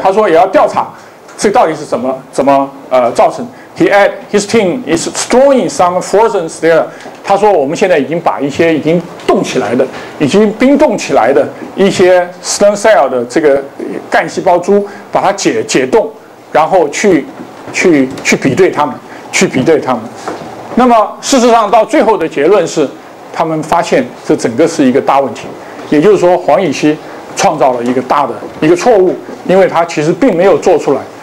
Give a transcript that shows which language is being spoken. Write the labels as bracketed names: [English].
[Chinese] 他说也要调查这到底是怎么造成。 [English] He add his team is storing some frozen there。 [Chinese] 他说我们现在已经把一些已经冻起来的、已经冰冻起来的一些 stem cell 的这个干细胞株，把它解冻，然后去比对它们，去比对它们。那么事实上到最后的结论是，他们发现这整个是一个大问题，也就是说黄乙烯创造了一个大的一个错误，因为它其实并没有做出来。